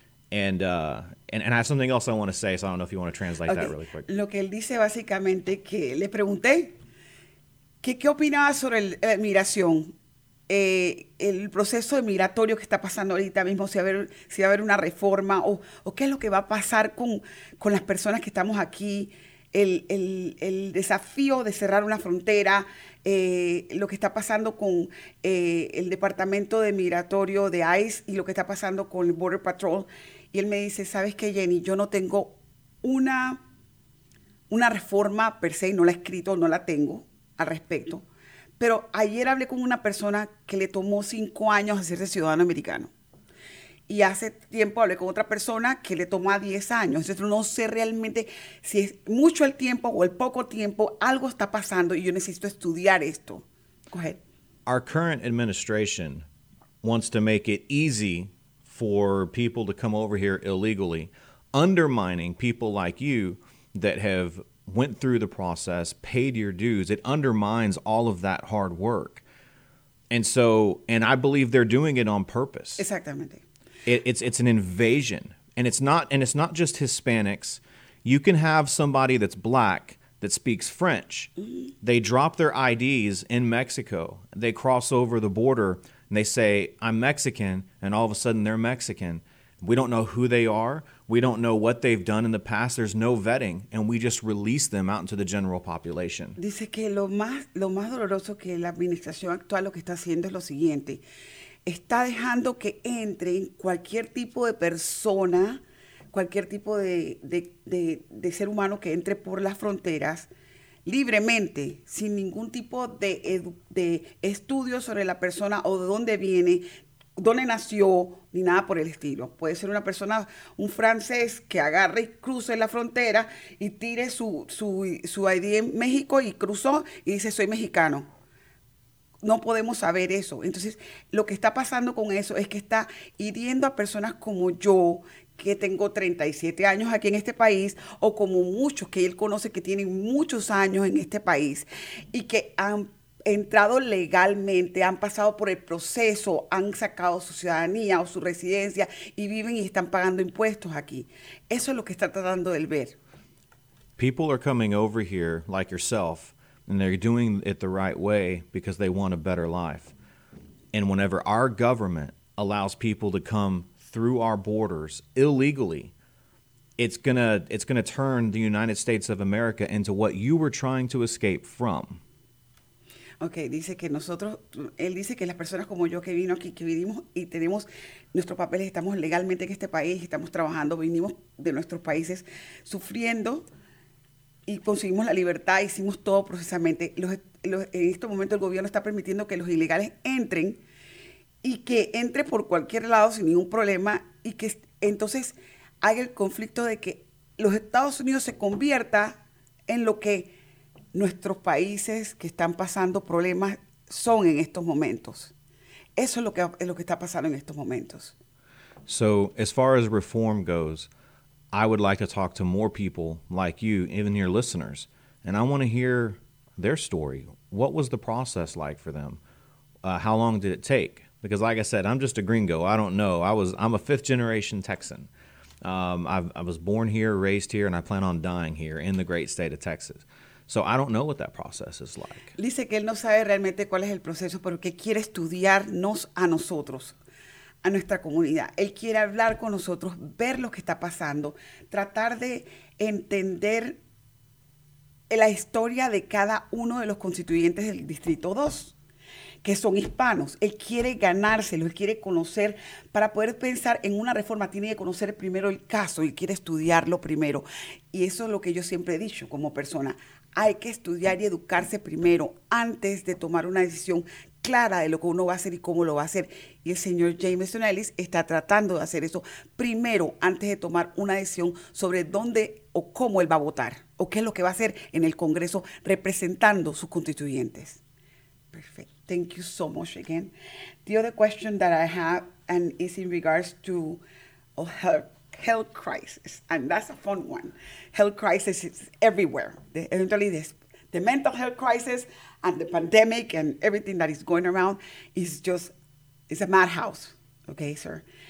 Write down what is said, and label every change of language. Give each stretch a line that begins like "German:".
English: And I have something else I want to say, so I don't know if you want to translate that really quick.
Spanish: Lo que él dice básicamente que le pregunté qué opinaba sobre la migración, el proceso migratorio que está pasando ahorita mismo, si va a haber una reforma o qué es lo que va a pasar con las personas que estamos aquí, el desafío de cerrar una frontera, lo que está pasando con el Departamento de Migratorio de ICE y lo que está pasando con el Border Patrol. Y él me dice, ¿sabes qué, Jenny? Yo no tengo una reforma per se, no la he escrito, no la tengo al respecto, Pero ayer hablé con una persona que le tomó 5 años hacerse ciudadano americano. Y hace tiempo hablé con otra persona que le tomó 10 años. Entonces, no sé realmente si es mucho el tiempo o el poco tiempo. Algo está pasando y yo necesito estudiar esto.
English: Go ahead. Our current administration wants to make it easy for people to come over here illegally, undermining people like you that have went through the process, paid your dues. It undermines all of that hard work. And so, and I believe they're doing it on purpose.
Spanish: Exactamente.
English: It's an invasion, and it's not just Hispanics. You can have somebody that's black that speaks French. They drop their IDs in Mexico. They cross over the border and they say, "I'm Mexican," and all of a sudden they're Mexican. We don't know who they are. We don't know what they've done in the past. There's no vetting, and we just release them out into the general population.
Spanish: Dice que lo más doloroso que la administración actual lo que está haciendo es lo siguiente. Está dejando que entren cualquier tipo de persona, cualquier tipo de ser humano que entre por las fronteras libremente, sin ningún tipo de estudio sobre la persona o de dónde viene, dónde nació, ni nada por el estilo. Puede ser una persona, un francés que agarre y cruce la frontera y tire su ID en México y cruzó y dice, soy mexicano. No podemos saber eso. Entonces, lo que está pasando con eso es que está hiriendo a personas como yo, que tengo 37 años aquí en este país, o como muchos que él conoce que tienen muchos años en este país y que han entrado legalmente, han pasado por el proceso, han sacado su ciudadanía o su residencia y viven y están pagando impuestos aquí. Eso es lo que está tratando de ver.
English: People are coming over here like yourself. And they're doing it the right way because they want a better life. And whenever our government allows people to come through our borders illegally, it's gonna turn the United States of America into what you were trying to escape from.
Spanish: Okay, dice que nosotros, él dice que las personas como yo que vino aquí, que vivimos y tenemos nuestros papeles, estamos legalmente en este país, estamos trabajando, vinimos de nuestros países sufriendo. Y conseguimos la libertad, hicimos todo procesamente. En este momento el gobierno está permitiendo que los ilegales entren y que entre por cualquier lado sin ningún problema y que entonces haya el conflicto de que los Estados Unidos se convierta en lo que nuestros países que están pasando problemas son en estos momentos. Eso es lo que está pasando en estos momentos.
English: So, as far as reform goes, I would like to talk to more people like you, even your listeners, and I want to hear their story. What was the process like for them? How long did it take? Because like I said, I'm just a gringo. I don't know. I'm a fifth generation Texan. I was born here, raised here, and I plan on dying here in the great state of Texas. So I don't know what that process is like.
Spanish: Dice que él no sabe realmente cuál es el proceso, pero que quiere estudiarnos a nosotros. A nuestra comunidad. Él quiere hablar con nosotros, ver lo que está pasando, tratar de entender la historia de cada uno de los constituyentes del Distrito 2, que son hispanos. Él quiere ganárselo, él quiere conocer, para poder pensar en una reforma, tiene que conocer primero el caso, él quiere estudiarlo primero. Y eso es lo que yo siempre he dicho como persona. Hay que estudiar y educarse primero antes de tomar una decisión clara de lo que uno va a hacer y cómo lo va a hacer. Y el señor Jameson Ellis está tratando de hacer eso primero antes de tomar una decisión sobre dónde o cómo él va a votar o qué es lo que va a hacer en el Congreso representando sus constituyentes.
English: Perfect. Thank you so much again. The other question that I have and is in regards to health crisis, and that's a fun one. Health crisis is everywhere. Eventually, the mental health crisis and the pandemic and everything that is going around is just, it's a madhouse, okay, sir?